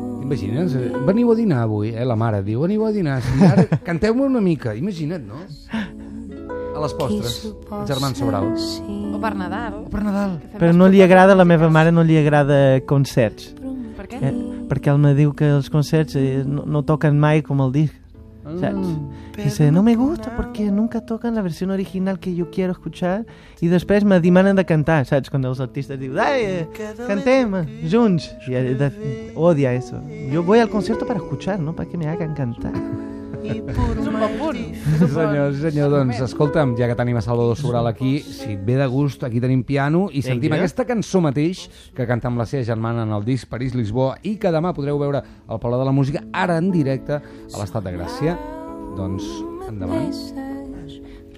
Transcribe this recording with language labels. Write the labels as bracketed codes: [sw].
[ca] Imagina't, veniu a dinar avui, eh? La mare diu, veniu a dinar, si ara canteu-me una mica, imagina't, no? A les postres, el germà Sobral. O per Nadal. O per Nadal. Però no li agrada, la meva mare no li agrada concerts. Per què? Perquè ell me diu que els concerts no toquen mai com el disc. Saps? [es] Dice, no me gusta porque nunca tocan la versión original que yo quiero escuchar, y después me demanen de cantar, [ca] saps? Quan els artistes diuen, ay, cantem junts, i odia eso. [es] Yo voy al concierto para escuchar, no para que me hagan cantar. [ca] És un bon punt. Senyor, doncs, escolta'm, ja que tenim a Salvador Sobral aquí, si et ve de gust, aquí tenim piano i sentim aquesta cançó mateix que canta amb la seva germana en el disc París-Lisboa i que demà podreu veure al Palau de la Música, ara en directe a l'Estat de Gràcia. Doncs, endavant.